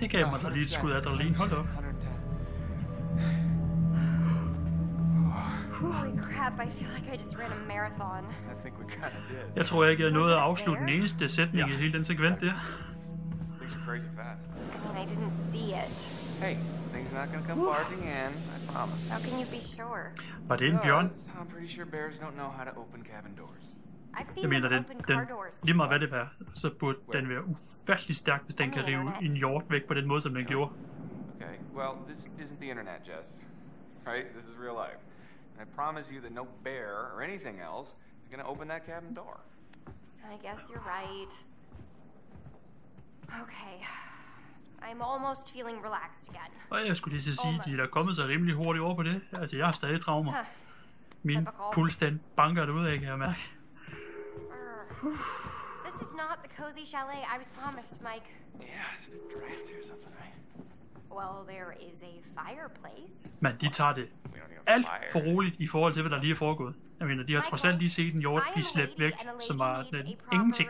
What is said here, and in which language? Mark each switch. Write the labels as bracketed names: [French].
[Danish] Det gav mig da lige et skud af adrenalin. Hold op. [English] Holy crap, I feel like I just ran a marathon. I think we kind of did. [Danish] Jeg tror ikke, jeg nåede at afslutte den eneste sætning i hele den sekvens der. [English] Things are crazy fast. I mean, I didn't see it. Hey, things are not gonna come barging in, I promise. How can you be sure? [Danish] Var det en bjørn? [English] I'm pretty sure bears don't know how to open cabin doors. I've seen open car doors. [Danish] Den, lige meget hvad det er, så burde den være ufattelig stærk, hvis den kan rive en hjort væk på den måde, som den gjorde. [English] Okay, well, this isn't the internet, Jess. Right? This is real life. And I promise you that no bear or anything else is gonna open that cabin door. I guess you're right. Okay. I'm almost feeling relaxed again. [Danish] Og jeg skulle lige så sige, de er kommet så rimelig hurtigt over på det. Altså, jeg har stadig traumer. Min puls, den banker det ud af, kan jeg mærke. [English] This is not the cozy chalet I was promised, Mike. Yeah, it's a bit drafty or something, right? Well, there is a fireplace. [Danish] Men de tager det alt for roligt i forhold til, hvad der lige er foregået. Jeg mener, de har trods alt lige set en hjort blive slæbt væk, som var ingenting.